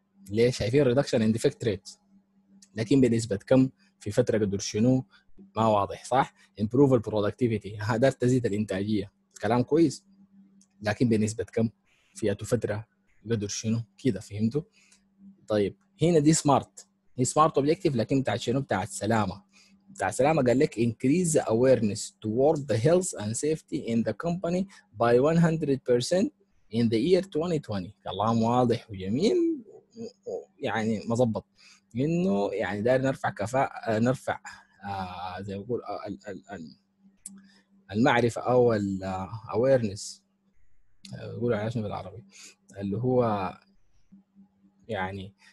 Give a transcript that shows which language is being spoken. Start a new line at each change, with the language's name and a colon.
Arabic: ليه؟ شايفين
English: reduction in defect rate
Arabic: لكن بنسبة كم في فترة قدر شنو ما واضح صح.
English: improve the productivity
Arabic: هدار تزيد الانتاجية كلام كويس لكن بنسبة كم في فترة قدر شنو كده فهمتوا. طيب هنا دي smart، هي smart objective لكن بتاعت شنو بتاعت سلامة. بتاعت سلامة قال لك
English: increase the awareness toward the health and safety in the company by 100% in the year 2020.
Arabic: كلام واضح وجميل يعني مظبط انه يعني داير نرفع كفاءه نرفع زي ما بقول المعرفه او الاويرنس بقول عشان بالعربي اللي هو يعني